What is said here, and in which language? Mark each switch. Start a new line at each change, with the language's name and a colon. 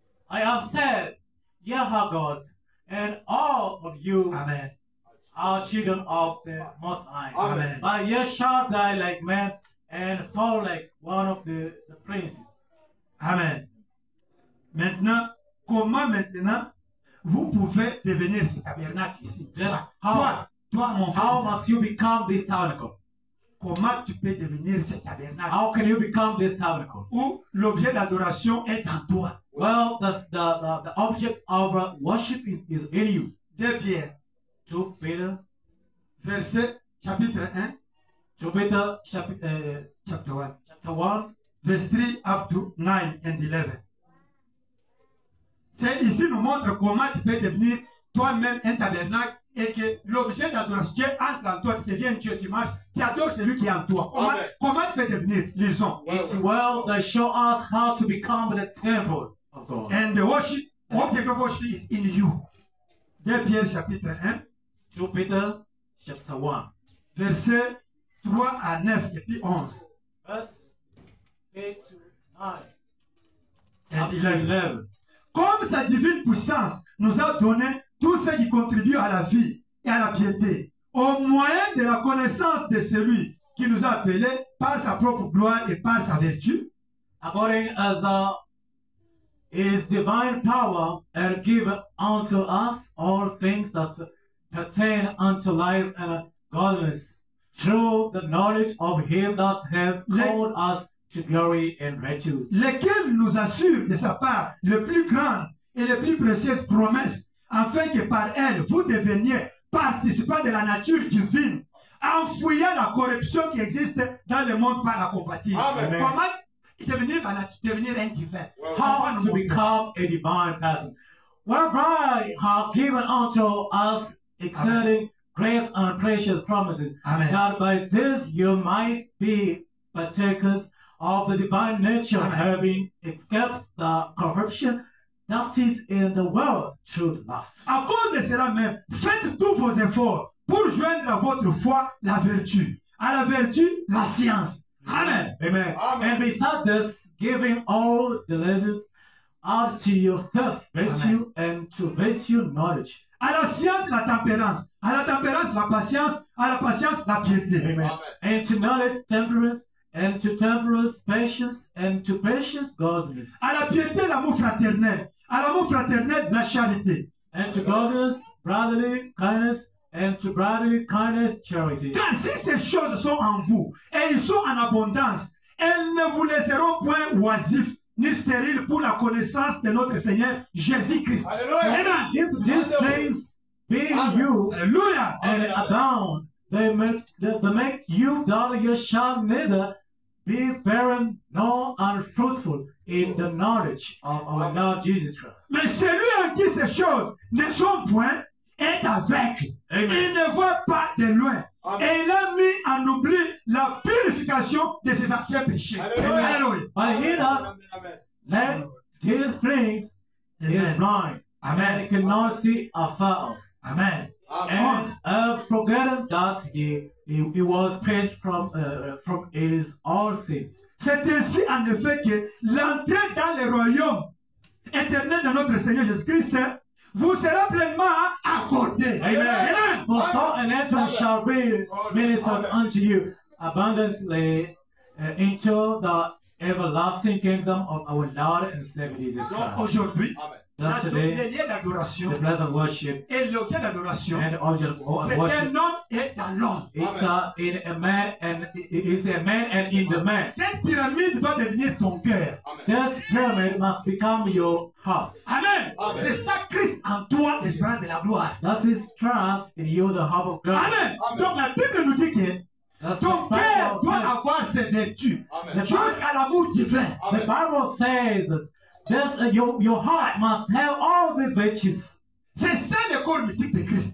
English: I have said, Yahweh God, and all of you Amen. Are children of the Most High. Amen. But you shall die like men and fall like one of the princes. Amen.
French: Maintenant, comment maintenant vous pouvez devenir ce tabernacle ici?
English: Then,
French: toi, mon frère.
English: How must you become this tabernacle?
French: Comment tu peux devenir ce tabernacle?
English: How can you become this tabernacle?
French: Où l'objet d'adoration est en toi.
English: Well, the object of worship is in you.
French: 2 Pierre.
English: 2 Peter.
French: Verset, chapitre 1.
English: 2 Peter,
French: chapitre 1.
English: Chapter 1. Verse 3 up to 9 and 11.
French: C'est ici nous montre comment tu peux devenir toi-même un tabernacle et que l'objet d'adoration, Dieu entre en toi, tu deviens Dieu, tu marches, tu adores celui qui est en toi. Comment tu peux devenir, lisons.
English: It's well that show us how to become the temple. God. And the worship, object of worship is in you.
French: 2 Pierre chapitre 1.
English: 2 Peter chapter 1.
French: Verset 3 à 9 et puis 11.
English: Verse 8 to 9. And 11.
French: Comme sa divine puissance nous a donné tout ce qui contribue à la vie et à la piété, au moyen de la connaissance de celui qui nous a appelés par sa propre gloire et par sa vertu.
English: According as a His divine power has given unto us all things that pertain unto life and godliness through the knowledge of Him that hath called us to glory and virtue.
French: Lequel nous assure de sa part le plus grand et le plus précieuse promesse, afin que par elle vous deveniez participants de la nature divine, en fuyant la corruption qui existe dans le monde par la convoitise. Amen. Comment devenir un divin?
English: How to become a divine person? Whereby have given unto us exceeding great and precious promises, Amen. That by this you might be partakers of the divine nature, Amen. Having escaped the corruption that is in the world through lust.
French: À cause de cela même, faites tous vos efforts pour joindre à votre foi la vertu, à la vertu la science. Amen. Amen. Amen.
English: And besides this, giving all diligence add to your faith, virtue, Amen. And to virtue knowledge.
French: À la science, la tempérance. À la tempérance, la patience. À la patience, la piété. Amen. Amen.
English: And to knowledge, temperance. And to temperance, patience. And to patience, godliness.
French: À la piété, l'amour fraternel. À l'amour fraternel, la charité.
English: And to godliness, brotherly kindness. And to brotherly kindness, charity.
French: Car si ces choses sont en vous et ils sont en abondance, elles ne vous laisseront point oisifs ni stériles pour la connaissance de notre Seigneur Jésus-Christ. Alléluia.
English: If these things be in you, Alléluia. And abound, they make you that you shall neither be barren nor unfruitful in the knowledge of our Lord Jesus Christ.
French: Mais celui en qui ces choses ne sont point est avec. Amen. Il ne voit pas de loin. Amen. Et il a mis en oubli la purification de ses anciens péchés. Alléluia. Alléluia.
English: But he that let these things is blind. Amen. And he cannot see afar. Amen. Amen. And forgetting that he was purged from his all sins.
French: C'est ainsi en effet que l'entrée dans le royaume éternel de notre Seigneur Jésus Christ vous sera pleinement accordée. Amen.
English: For so an entrance shall be ministered unto you abundantly into the everlasting kingdom of our Lord and Savior Jesus Christ.
French: Donc aujourd'hui,
English: that today,
French: d'adoration,
English: the place of worship
French: et l'objet d'adoration,
English: and object of worship,
French: c'est un homme et un homme.
English: It's in a man and it is a man and in the man.
French: Cette pyramide doit devenir ton cœur.
English: This pyramid must become your heart. Amen. Amen.
French: C'est ça Christ en toi, l'espérance de la gloire.
English: That is Christ in you, the hope of God.
French: Amen. Amen. Donc la Bible nous dit que
English: that's
French: ton cœur doit avoir cette vertu. Amen. Jusqu'à l'amour divin.
English: The Bible says this, your heart must have all these virtues.
French: C'est ça le corps mystique de Christ.